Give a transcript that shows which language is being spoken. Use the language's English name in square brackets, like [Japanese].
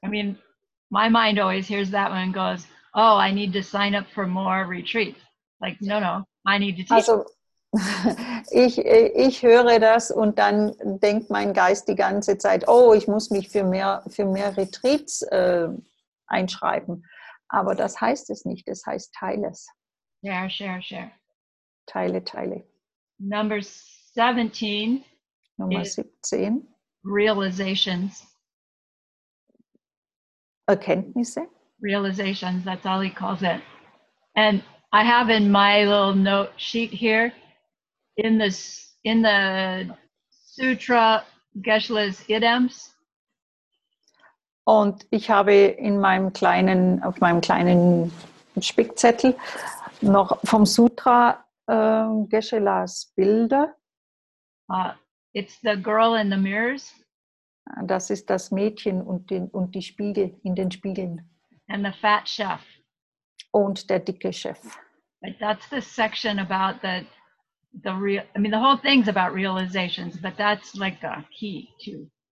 [English] I mean, my mind always hears that one and goes, oh, I need to sign up for more retreats. Like, no, I need to teach. [German] Also, ich höre das und dann denkt mein Geist die ganze Zeit, oh, ich muss mich für mehr Retreats einschreiben. Aber das heißt es nicht, es heißt teile es. [English] Share. [German] Teile. [English] Number 17. [German] Nummer 17. [English] Realizations. [German] Erkenntnisse. [English] Realizations, that's all he calls it. And I have in my little note sheet here, in the Sutra Geshe-la's Idems. [German] Und ich habe auf meinem kleinen Spickzettel noch vom Sutra Geshe-la's Bilder. [English] It's the girl in the mirrors. [German] Das ist das Mädchen und die Spiegel in den Spiegeln. [English] And the fat chef. [German] Und der dicke Chef. [English] But that's the section about the whole thing's about realizations, but that's like the key too.